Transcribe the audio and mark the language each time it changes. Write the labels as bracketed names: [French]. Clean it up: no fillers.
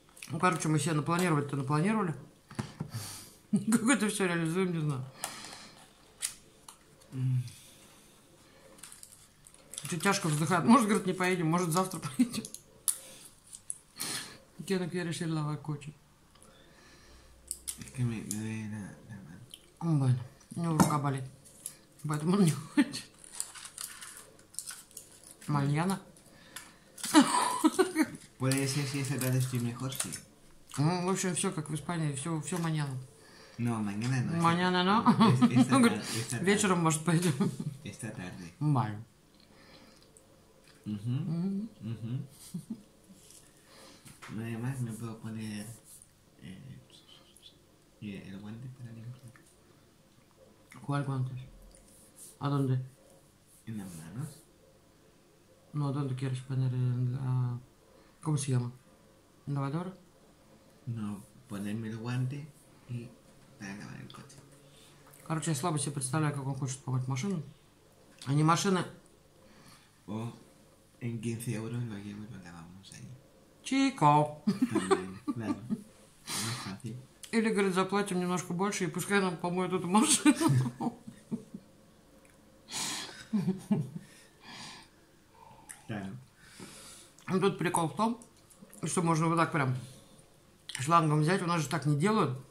[Russian] Ну, короче, мы себе напланировать-то напланировали. Как это все реализуем, не знаю. Чуть тяжко вздыхает. Может, говорит, не поедем, может, завтра поедем. [Spanish] Yo no quiero ser lavacocho. Es que me duele la mano. Bueno, no busca palet. Voy a tomar un yogur. Mañana. Puede ser si esa tarde estoy mejor, sí. [Russian] Ну, в общем, все как в Испании, все, все mañana. [Spanish] No, mañana no. Mañana no. Esta tarde. [Russian] Вечером, может, пойдем. [Spanish] Esta tarde. Vale. No, además me puedo poner el guante para limpiar. ¿Cuál guante? ¿A dónde? En las manos. No, ¿dónde quieres poner la... ¿Cómo se llama? ¿En la lavadora? No, ponerme el guante y para lavar el coche. [Russian] Короче, я слабо себе представляю, как он хочет помыть машину. А не машина. [Spanish] О, en 15 euros lo llevo y lo lavamos ahí. Chico. También, claro. Más fácil. [Russian] Или, говорит, заплатим немножко больше и пускай нам помоет эту машину. Да. Тут прикол в том, что можно вот так прям шлангом взять. У нас же так не делают.